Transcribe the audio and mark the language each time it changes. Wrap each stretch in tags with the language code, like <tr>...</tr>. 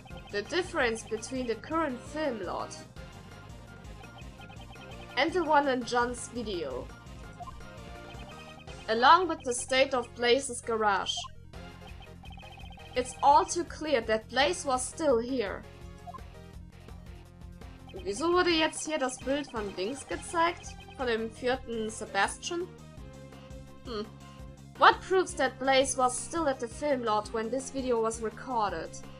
<en>The difference between the current film lot and the one in John's video, along with the state of Blaze's garage. It's all too clear that Blaze was still here.</en> <de>Wieso wurde jetzt hier das Bild von Dings gezeigt? Von dem vierten Sebastian?</de> <en>What proves that Blaze was still at the film lot when this video was recorded?</en>